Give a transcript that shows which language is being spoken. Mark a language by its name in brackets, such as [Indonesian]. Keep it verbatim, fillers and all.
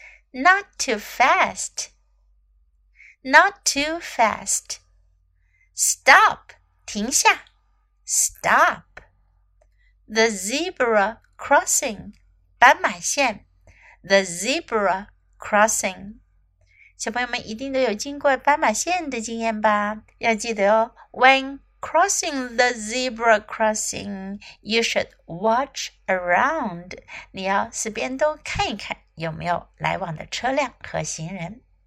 [English] Not too fast. Not too fast. Stop. 停下。Stop. The zebra crossing. 斑马线。 The zebra crossing. [Chinese] 小朋友们一定都有经过斑马线的经验吧？要记得哦。 [English] When crossing the zebra crossing, you should watch around. [Chinese] 你要四边都看一看，有没有来往的车辆和行人。